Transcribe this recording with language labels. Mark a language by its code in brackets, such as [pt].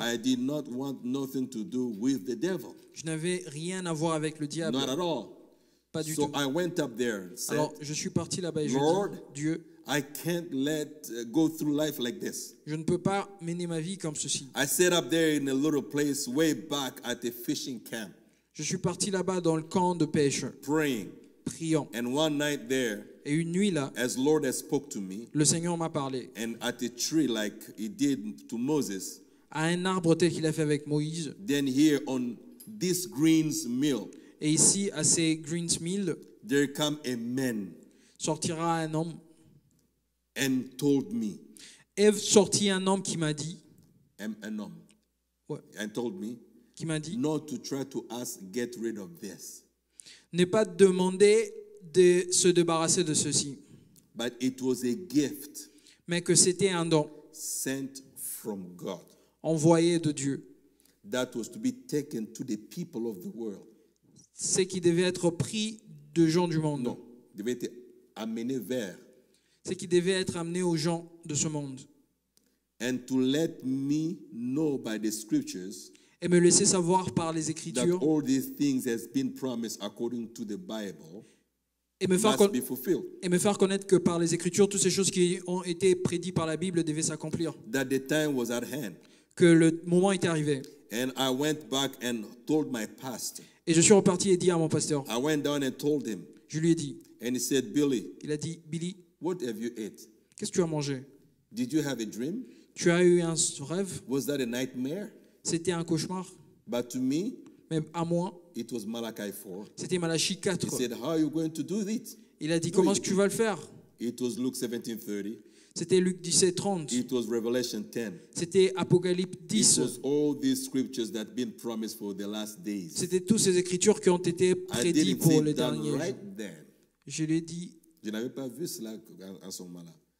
[en] I did not want nothing to do with the devil. [fr] Je n'avais rien à voir avec le diable. [en] Not at all. [fr] Pas du [en] so [fr] tout. [en] I went up there and said, [fr] alors je suis parti là-bas et je dis, Dieu, [en] I can't let go through life like this. [fr] Je ne peux pas mener ma vie comme ceci. [en] I sat up there in a little place way back at a fishing camp. [fr] Je suis parti là-bas dans le camp de pêche, [en] praying, [fr] priant. [en] And one night there, [fr] et une nuit là, [en] as Lord has spoke to me, [fr] le Seigneur m'a parlé. [en] And at a tree like he did to Moses, [fr] à un arbre tel qu'il a fait avec Moïse. [en] Then here on this Green's Mill, [fr] et ici à ces Green's Mill, [en] there come a man, [fr] sortira un homme. [en] And told me, [fr] Eve sortit un homme qui m'a dit, un homme, ouais. [en] And told me, [fr] qui m'a dit, [en] not to try to ask, get rid of this. [fr] Ne pas demander de se débarrasser de ceci. [en] But it was a gift. [fr] Mais que c'était un don. [en] Sent from God. [fr] Envoyé de Dieu. [en] That was to be taken to the people of the world. [fr] C'est qui devait être pris de gens du monde. Non, devait être amené vers. C'est qui devait être amené aux gens de ce monde. [en] And to let me know by the scriptures. [fr] Et me laisser savoir par les Écritures. [en] That all these things has been promised according to the Bible. [fr] Et me faire [en] must be fulfilled. [fr] Et me faire connaître que par les Écritures, toutes ces choses qui ont été prédites par la Bible devaient s'accomplir. [en] That the time was at hand. [fr] Que le moment était arrivé. [en] And I went back and told my pastor. [fr] Et je suis reparti et dit à mon pasteur. [en] I went down and told him. [fr] Je lui ai dit. [en] And he said, Billy. [fr] Il a dit, Billy. [en] What have you ate? [fr] Qu'est-ce que tu as mangé? [en] Did you have a dream? [fr] Tu as eu un rêve? [en] Was that a nightmare? [fr] C'était un cauchemar. [en] But to me, [fr] mais à moi, [en] it was Malachi 4. [fr] C'était Malachi 4. [en] He said, how are you going to do this? [fr] Il a dit, comment est-ce que tu vas le faire? [en] It was Luke 17:30. [fr] C'était Luc 17, 30. [en] It was Revelation 10. [fr] C'était Apocalypse 10. [en] It was all these scriptures that have been promised for the last days. [fr] C'était toutes ces écritures qui ont été prédites pour les derniers jours. Je l'ai dit. Je n'avais pas vu cela à ce moment-là.